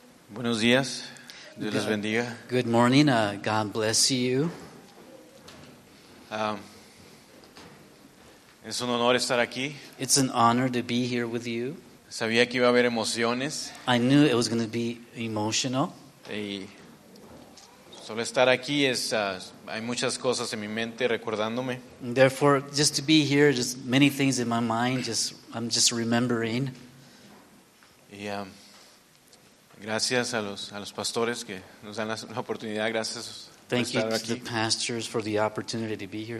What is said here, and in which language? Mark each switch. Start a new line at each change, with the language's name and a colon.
Spanish: Buenos días. Dios les bendiga.
English: Good morning. God bless you.
Spanish: Es un honor estar aquí.
English: It's an honor to be here with you.
Spanish: Sabía que iba a haber emociones.
English: I knew it was going to be emotional.
Spanish: Y solo estar aquí es hay muchas cosas en mi mente recordándome.
English: Therefore, just to be here, just many things in my mind, I'm just remembering.
Spanish: Y Gracias a los pastores que nos dan la oportunidad. Gracias.
English: Thank
Spanish: por estar
English: you
Spanish: aquí.
English: To the pastors for the opportunity to be here.